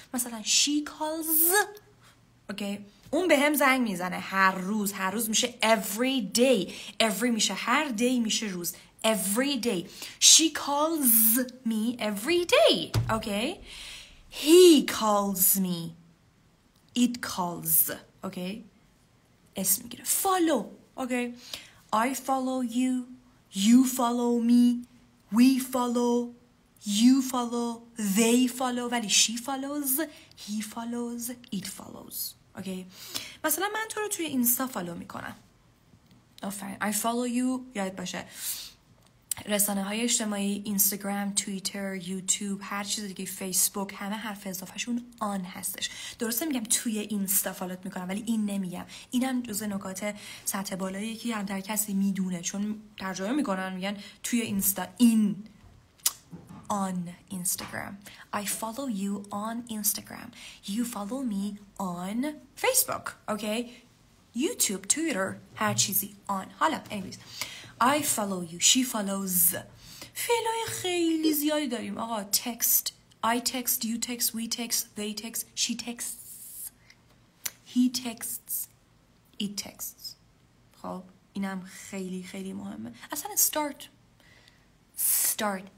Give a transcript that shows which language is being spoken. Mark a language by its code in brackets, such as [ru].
[fa] مثلا [en] she calls، [fa] اوکی اون به هم زنگ میزنه هر روز، هر روز میشه [en] every day، [fa] every میشه هر day، میشه روز every day. [en] she calls me every day. Okay he calls me، it calls. [fa] اوکی اس میگیره follow. [en] Okay I follow you، you follow me، we follow، you follow، they follow، ولی she follows، he follows، it follows. [fa] اوکی مثلا من تو رو توی اینستا فالو میکنم، [en] آفرین. I follow you. [fa] یاد باشه. رسانه های اجتماعی، اینستاگرام، توییتر، یوتیوب، هر چیز دیگه، فیسبوک، همه حرف اضافهشون آن هستش. درسته میگم توی اینستا فالوت میکنم، ولی این نمیگم. اینم جز نکات سطح بالایی که هم در کسی میدونه، چون ترجمه میکنن میگن توی اینستا، این [en] on Instagram. I follow you on Instagram. You follow me on Facebook. Okay? YouTube, Twitter, [fa] هر چیزی [en] on. [fa] حالا anyways. [en] I follow you. She follows. [fa] فعلای خیلی زیادی داریم. [en] آقا text. I text, you text, we text, they text, she texts. He texts. It texts. [fa] خب اینم خیلی خیلی مهمه. اصلا [en] start. Start.